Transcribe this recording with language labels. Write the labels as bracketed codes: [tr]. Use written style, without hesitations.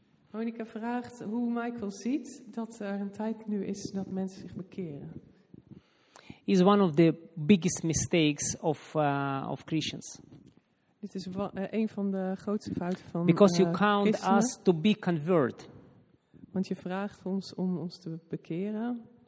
[nl] Monica vraagt hoe Michael ziet dat er een tijd nu is dat mensen zich bekeren. [en] Is one of the biggest mistakes of Christians. [nl] Dit is een van de grootste fouten van. [en] Because you count [nl] Christenen. [en] Us to be convert. [nl] Want je vraagt ons om ons te bekeren.